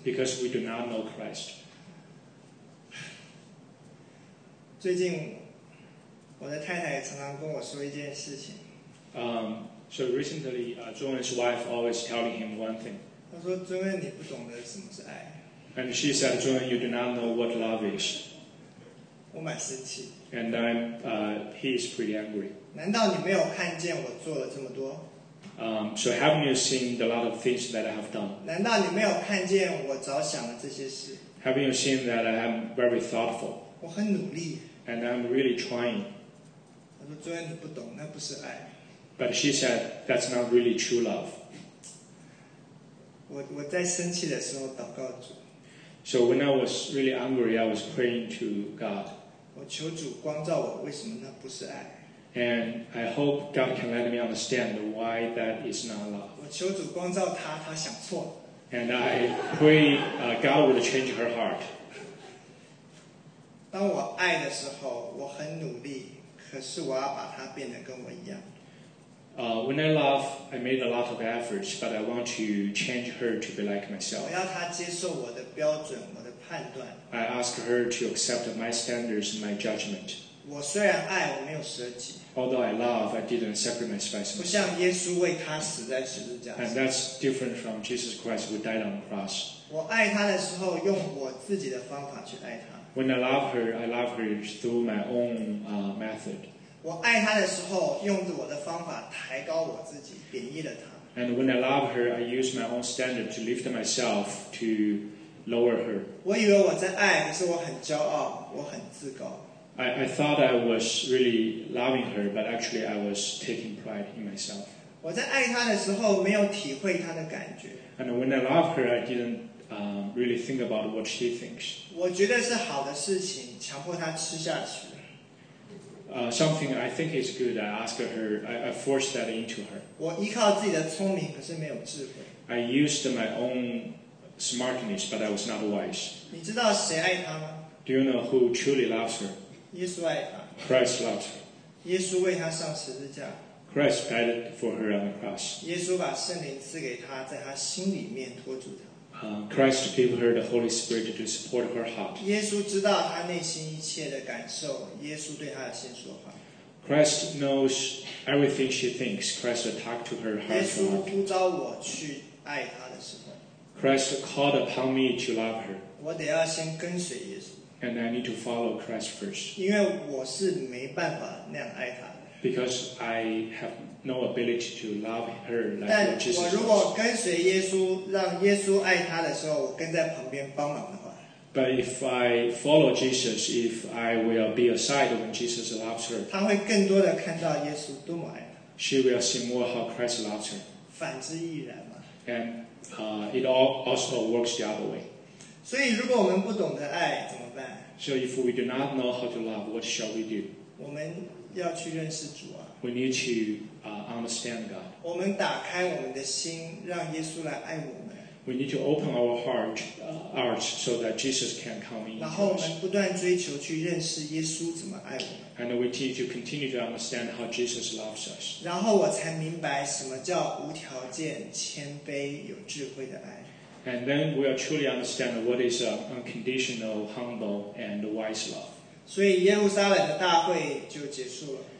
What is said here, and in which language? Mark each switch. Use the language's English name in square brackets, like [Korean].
[English] Because we do not know Christ. [Chinese] 最近，我的太太常常跟我说一件事情。 [English] So recently, Zhong's wife always telling him one thing. [Chinese] 她说：“尊恩，你不懂得什么是爱。” [English] And she said, "Zhong, you do not know what love is." [Chinese] 我蛮生气。 [English] And I'm, he is pretty angry. [Chinese] 难道你没有看见我做了这么多？ [English] So haven't you seen the lot of things that I have done? [Chinese] 难道你没有看见我早想了这些事？ [English] Haven't you seen that I am very thoughtful? [Chinese] 我很努力。 [English] And I'm really trying. [Chinese] 他说：“虽然你不懂，那不是爱。” [English] But she said that's not really true love. [Chinese] 我在生气的时候祷告主。 [English] So when I was really angry, I was praying to God. [Chinese] 我求主光照我，为什么那不是爱？ [English] And I hope God can let me understand why that is not love. [Chinese] 我求主光照她，她想错。 [English] And I pray God would change her heart. [Chinese] 当我爱的时候，我很努力，可是我要把她变得跟我一样。 [English] When I love, I made a lot of efforts, but I want to change her to be like myself. [Chinese] 我要她接受我的标准，我的判断。 [English] I ask her to accept my standards and my judgment. [Chinese] 我虽然爱，我没有舍己。 [English] Although I love, I didn't sacrifice myself. [Chinese] 不像耶稣为她死在十字架上。 [English] And that's different from Jesus Christ who died on the cross. [Chinese] 我爱她的时候，用我自己的方法去爱她。 [English] When I love her through my own method. [Chinese] 我爱她的时候，用着我的方法抬高我自己，贬义了她。 [English] And when I love her, I use my own standard to lift myself to lower her. [Chinese] 我以为我在爱，可是我很骄傲，我很自高。 [English] I thought I was really loving her, but actually I was taking pride in myself. [Chinese] 我在爱她的时候没有体会她的感觉。 [English] And when I love her, I didn't really think about what she thinks. [Chinese] 我觉得是好的事情，强迫她吃下去。 [English] Something I think is good, I asked her, I forced that into her. [Chinese] 我依靠自己的聪明，可是没有智慧。 [English] I used my own smartness, but I was not wise. [Chinese] 你知道谁爱她吗？ [English] Do you know who truly loves her? [Chinese] 耶稣爱她。 [English] Christ loves her. [Chinese] 耶稣为她上十字架。 [English] Christ died for her on the cross. [Chinese] 耶稣把圣灵赐给她，在她心里面托住她。 [English] Christ gave her the Holy Spirit to support her heart. [Chinese] 耶稣知道她内心一切的感受，耶稣对她先说话。 [English] Christ knows everything she thinks. Christ talked to her heart. [Chinese] 耶稣呼召我去爱她的时候。 [English] Christ called upon me to love her. [Chinese] 我得要先跟随耶稣。 [English] And I need to follow Christ first. [Chinese] 因为我是没办法那样爱她的。 [English] Because I have no ability to love her like Jesus. [Chinese] 但我如果跟随耶稣，让耶稣爱他的时候，我跟在旁边帮忙的话。 [English] But if I follow Jesus, if I will be aside when Jesus loves her, [Chinese] 他会更多的看到耶稣多么爱他。 [English] She will see more how Christ loves her. [Chinese] 反之亦然嘛。 [English] And it also works the other way. [Chinese] 所以如果我们不懂得爱怎么办？ [English] So if we do not know how to love, what shall we do? [Chinese] 我们要去认识主啊。 [English] We need to understand God. [Chinese] 我们打开我们的心，让耶稣来爱我们。 [English] We need to open our hearts so that Jesus can come in. [Chinese] 然后我们不断追求去认识耶稣怎么爱我们。 [English] And we need to continue to understand how Jesus loves us. [Chinese] 然后我才明白什么叫无条件、谦卑、有智慧的爱。 [English] And then we will truly understand what is unconditional, humble, and wise love. [Chinese] 所以耶路撒冷的大会就结束了。